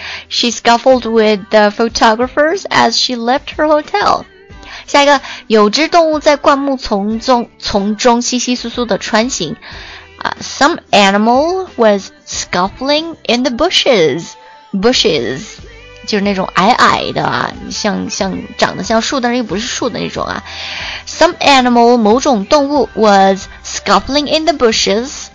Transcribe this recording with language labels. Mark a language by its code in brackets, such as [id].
[en] She scuffled with the photographers as she left her hotel. [zh] 下一个，有只动物在灌木丛中稀稀疏疏的穿行。 [en] Some animal was scuffling in the bushes. Bushes. [zh] 就是那种矮矮的啊，像长得像树但是又不是树的那种啊。 [en] Some animal, [zh] 某种动物 [en] was scuffling in the bushes.